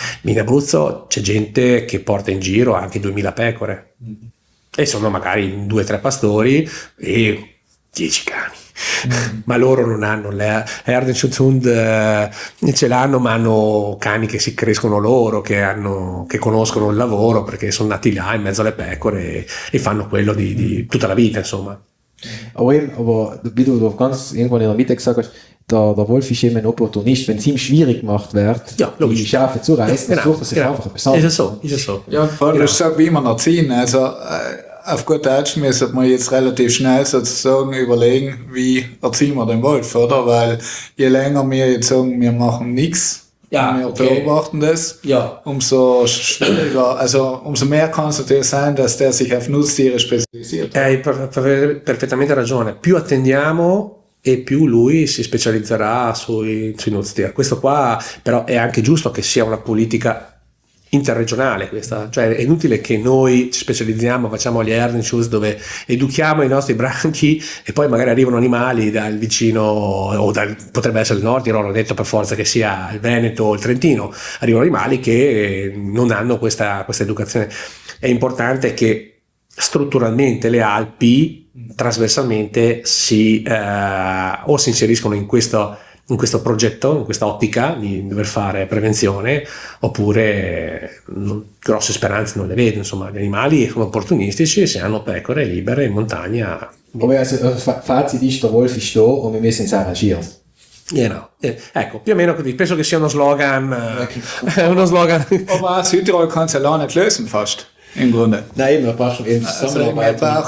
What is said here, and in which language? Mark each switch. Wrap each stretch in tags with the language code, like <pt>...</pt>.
<it>In Abruzzo c'è gente che porta in giro anche 2000 pecore. E sono magari due o tre pastori e 10 cani. Mm. Ma loro non hanno l'Herde Schutzhund, ce l'hanno, ma hanno cani che si crescono loro, che conoscono il lavoro, perché sono nati là in mezzo alle pecore e fanno quello di tutta la vita, insomma.</it> <de>Aber wie du ganz irgendwann in der Mitte gesagt hast, der Wolf ist eben ein Opportunist, wenn es ihm schwierig gemacht wird, ja, die Schafe zu reißen, genau, sucht er sich einfach besonders. Ist es so, ist es so. Ja, voll, genau. Das ist so, wie man erziehen. Also auf gut Deutsch müsste man jetzt relativ schnell sozusagen überlegen, wie erziehen wir den Wolf, oder? Weil je länger wir jetzt sagen, wir machen nichts, ja, wir okay. beobachten das, ja. umso schwieriger, also umso mehr kann es natürlich sein, dass der sich auf Nutztiere spezialisiert.</de> <it>Hai perfettamente ragione. Più attendiamo e più lui si specializzerà sui nutztiere. Questo qua però è anche giusto che sia una politica interregionale questa, cioè è inutile che noi ci specializziamo, facciamo gli Herdenschutz dove educhiamo i nostri branchi e poi magari arrivano animali dal vicino o dal, potrebbe essere il nord, io non ho detto per forza che sia il Veneto o il Trentino, arrivano animali che non hanno questa educazione. È importante che strutturalmente le Alpi trasversalmente si inseriscono in questo progetto, in questa ottica di dover fare prevenzione, oppure grosse speranze non le vedo, insomma, gli animali sono opportunistici, se hanno pecore libere in montagna.</it> <de>Vabbè, also, Fazit ist, der Wolf ist da und wir müssen uns arrangieren. Genau.</de> <it>Ecco, più o meno così, penso che sia uno slogan, uno slogan.</it> <de>Ma Südtirol kann es ja noch nicht lösen, fast. Im Grunde. Nein, wir brauchen eben Zusammenarbeit.</de>